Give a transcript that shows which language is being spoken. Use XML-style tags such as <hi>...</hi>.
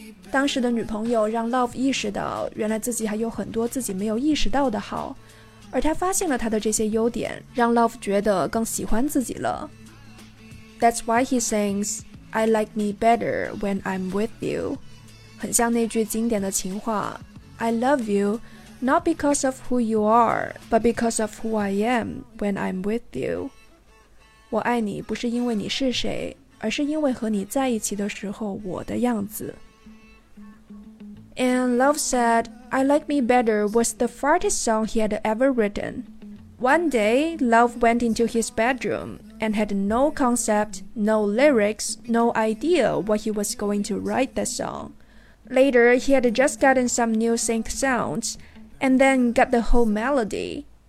<zh>当时的女朋友让 Love 意识到原来自己还有很多自己没有意识到的好，而她发现了她的这些优点，让 Love 觉得更喜欢自己了。</zh> <en>That's why he sings I like me better when I'm with you.</en> <zh>很像那句经典的情话</zh> <en>I love you not because of who you are but because of who I am when I'm with you.</en> <zh>我爱你不是因为你是谁，而是因为和你在一起的时候我的样子。</zh> <en>And Love said, I Like Me Better was the farthest song he had ever written. One day, Love went into his bedroom and had no concept, no lyrics, no idea what he was going to write the song. Later, he had just gotten some new synth sounds and then got the whole melody.</en>